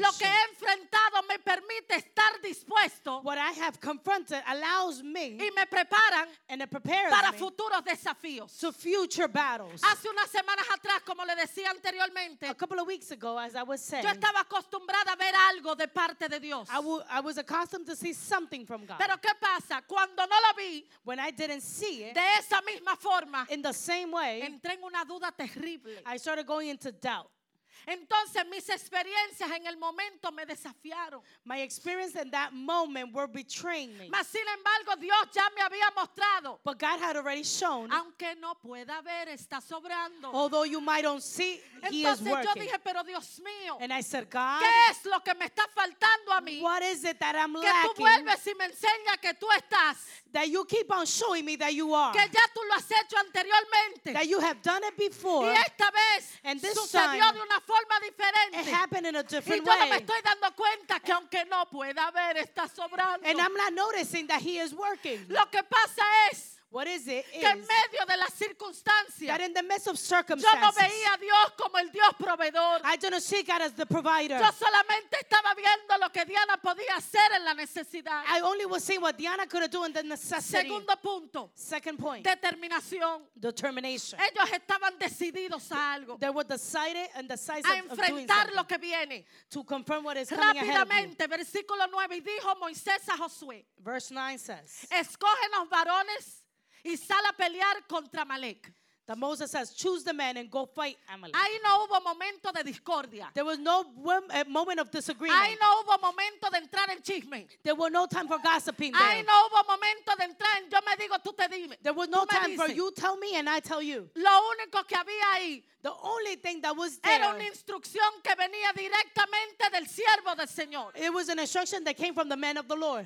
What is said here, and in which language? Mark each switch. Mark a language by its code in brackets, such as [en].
[es] Lo que he enfrentado me permite estar dispuesto. [en] What I have confronted allows me. [es] Y me preparan. [en] And it prepares [es] para me futuros desafíos. [en] To future battles. [es] Hace unas semanas atrás, como le decía anteriormente. [en] A couple of weeks ago, as I was saying. [es] Yo estaba acostumbrada a ver algo de parte de Dios. [en] I was accustomed to see something from God. [es] Pero qué pasa cuando no lo vi. [en] When I didn't see it. [es] De esa misma forma. [en] In the same way. [es] Entré en una duda terrible. [en] I started going into doubt. [es] Entonces mis experiencias en el momento me desafiaron. [en] My experience in that moment were betraying me. [es] Mas sin embargo Dios ya me había mostrado. [en] But God had already shown. [es] Aunque no pueda ver, está sobrando. [en] Although you might not see, [es] entonces, [en] he is working. [es] Entonces yo dije, pero Dios mío. [en] And I said, God, [es] ¿qué es lo que me está faltando a mí? [en] What is it that I'm [es] que [en] lacking? [es] Que tú vuelves y me enseñas que tú estás. [en] That you keep on showing me that you are. [es] Que ya tú lo has hecho anteriormente. [en] That you have done it before. [es] Y esta vez [en] and this [es] sucedió [en] time, [es] de una forma diferente. [en] It happened in a different [es] y yo [en] way. [es] No me estoy dando cuenta que aunque no pueda ver, está sobrando. [en] And I'm not noticing that he is working. [es] Lo que pasa es [en] what is it [es] que [en] is [es] en medio de las circunstancias, [en] that in the midst of circumstances, [es] yo no veía a Dios como el Dios proveedor. [en] I didn't see God as the provider. [es] Yo solamente estaba viendo lo que Diana podía hacer en la necesidad. [en] I only was seeing what Diana could do in the necessity. [es] Segundo punto. [en] Second point. [es] Determinación. [en] Determination. [es] Ellos estaban decididos a algo. [en] They were decided and decisive [es] a enfrentar lo que viene. [en] To confirm what is coming ahead. [es] Rápidamente, versículo 9, y dijo Moisés a Josué. [en] Verse 9 says, [es] escoge los varones y sal a pelear contra Amalek. [en] That Moses says, choose the men and go fight Amalek. [es] Ahí no hubo momento de discordia. [en] There was no moment of disagreement. [es] Ahí no hubo momento de entrar en chisme. [en] There was no time for gossiping there. [es] Ahí no hubo momento de entrar en yo me digo, tú te dime. [en] There was no time for you tell me and I tell you. [es] Lo único que había ahí, [en] the only thing that was there, [es] era una instrucción que venía directamente del siervo del Señor. [en] It was an instruction that came from the man of the Lord.